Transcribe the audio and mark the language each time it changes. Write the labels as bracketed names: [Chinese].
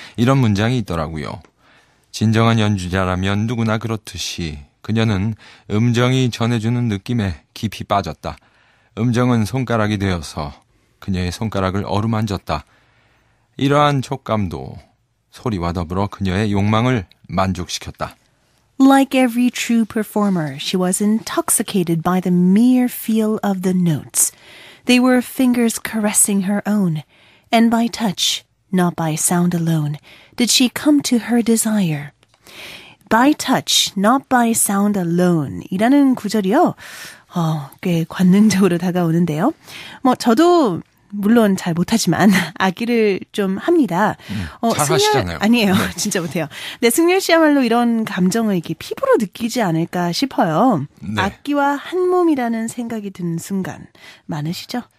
[Korean] 이런 문장이 있더라고요. 진정한 연주자라면 누구나 그렇듯이 그녀는 음정이 전해주는 느낌에 깊이 빠졌다. 음정은 손가락이 되어서 그녀의 손가락을 어루만졌다. 이러한 촉감도 소리와 더불어 그녀의 욕망을 만족시켰다. [English] Like every true performer, she was intoxicated by the mere feel of the notes. They were fingers caressing her own, and by touch, not by sound alone, did she come to her desire. By touch, not by sound alone [Korean] 이라는 구절이요. 꽤 관능적으로 다가오는데요. 뭐 저도 물론 잘 못하지만 악기를 좀 합니다. 잘하시잖아요. 아니에요. 네. 진짜 못해요. 네, 승열 씨야말로 이런 감정을 이렇게 피부로 느끼지 않을까 싶어요. 네. 악기와 한 몸이라는 생각이 드는 순간 많으시죠?